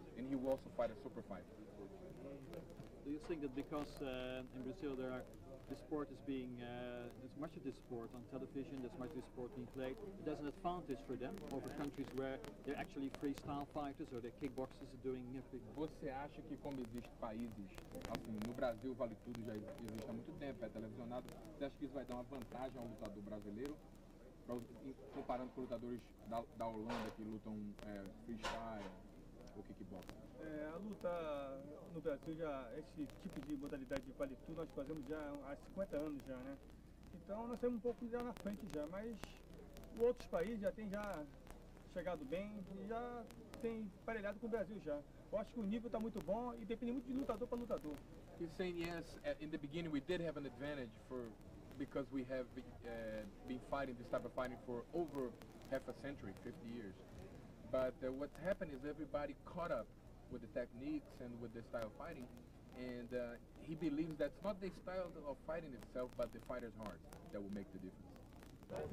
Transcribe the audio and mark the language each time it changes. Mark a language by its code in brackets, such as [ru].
[en] And he will also fight a super fighter. Do you think that because in Brazil there are there's much of this sport on television, there's much of this sport being played, there's an advantage for them over countries where they're actually freestyle fighters or their kickboxers are doing everything? [pt] Você acha que como existem países, assim, no Brasil Vale Tudo já existe há muito tempo, é televisionado, você acha que isso vai dar uma vantagem ao lutador brasileiro? Comparando com lutadores da Holanda que lutam freestyle ou kickboxing? A luta no Brasil, já esse tipo de modalidade de Vale Tudo, nós fazemos já há 50 anos já, né? Então nós temos um pouco já na frente já, mas outros países já têm já chegado bem e já tem emparelhado com o Brasil já. Eu acho que o nível está muito bom e depende muito de lutador para lutador. [en] He's saying yes, in the beginning we did have an advantage for because we have been fighting this type of fighting for over half a century, 50 years. But what happened is everybody caught up with the techniques and with the style of fighting, and he believes that's not the style of fighting itself, but the fighter's heart that will make the difference.